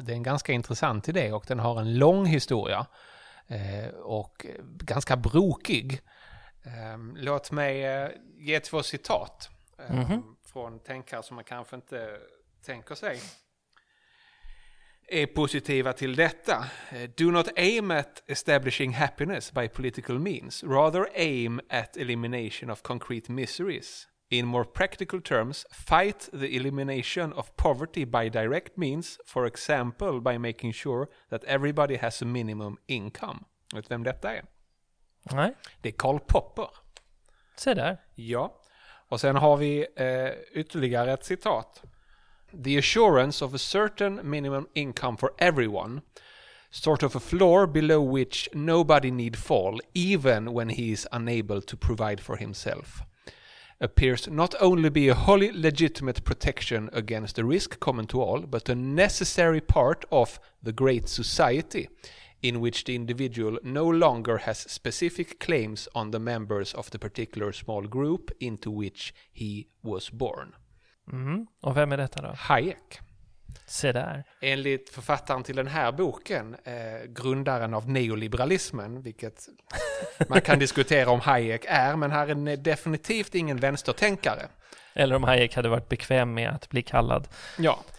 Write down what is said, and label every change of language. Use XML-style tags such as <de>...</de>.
<sv>Det är en ganska intressant idé och den har en lång historia och ganska brokig. Låt mig ge två citat från tänkare som man kanske inte tänker sig är positiva till detta.</sv> <en>Do not aim at establishing happiness by political means. Rather aim at elimination of concrete miseries. In more practical terms, fight the elimination of poverty by direct means, for example by making sure that everybody has a minimum income.</en> <sv>Vet vem detta är? Nej. Det är Karl Popper. Se där. Ja. Och sen har vi ytterligare ett citat.</sv> <en>The assurance of a certain minimum income for everyone, sort of a floor below which nobody need fall, even when he is unable to provide for himself, appears not only be a wholly legitimate protection against the risk common to all, but a necessary part of the great society, in which the individual no longer has specific claims on the members of the particular small group into which he was born.</en> <sv>Och vem är detta då? Hayek. Se där. Enligt författaren till den här boken, grundaren av neoliberalismen, vilket man kan diskutera om Hayek är, men här är definitivt ingen vänstertänkare. Eller om Hayek hade varit bekväm med att bli kallad. Ja.</sv>